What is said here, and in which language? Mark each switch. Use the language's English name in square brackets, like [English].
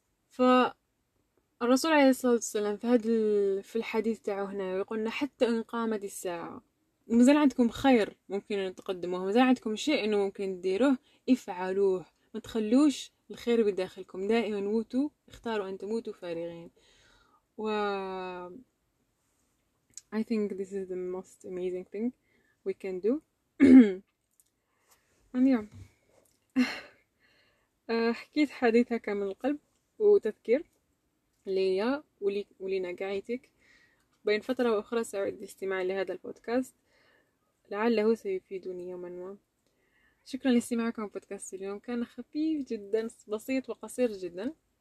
[Arabic] فالرسول عليه الصلاة والسلام في الحديث تاعه هنا يقولنا حتى إن قامت الساعة مازال عندكم خير ممكن أن تقدموه، مازال عندكم شيء أنه ممكن تديروه افعلوه، ما تخلوش الخير بداخلكم، دائما موتوا اختاروا أن تموتوا فارغين. [English] و I think this is the most amazing thing we can do. And yeah. [Arabic] حكيت حديث هكا من القلب وتذكير ليا ولينا قاعتك بين فترة وأخرى سعيد الاستماع لهذا البودكاست، لعله سيفيدني يوما ما. شكرا لاستماعكم بودكاست اليوم، كان خفيف جدا بسيط وقصير جدا.